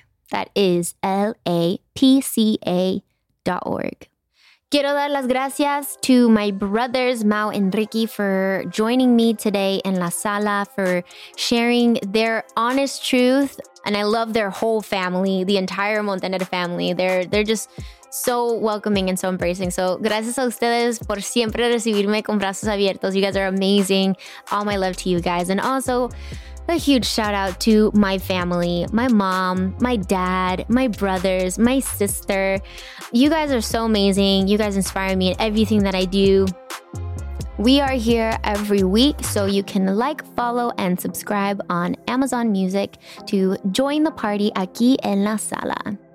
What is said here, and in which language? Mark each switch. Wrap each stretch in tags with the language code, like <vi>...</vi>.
<en>That is lapca.org.</en> <es>Quiero dar las gracias</es> <en>to my brothers, Mao and Ricky, for joining me today in La Sala, for sharing their honest truth. And I love their whole family, the entire Montaneda family. They're just so welcoming and so embracing.</en> <es>So gracias a ustedes por siempre recibirme con brazos abiertos.</es> <en>You guys are amazing. All my love to you guys. And also a huge shout out to my family, my mom, my dad, my brothers, my sister. You guys are so amazing. You guys inspire me in everything that I do. We are here every week, so you can like, follow, and subscribe on Amazon Music to join the party aquí en La Sala.</en>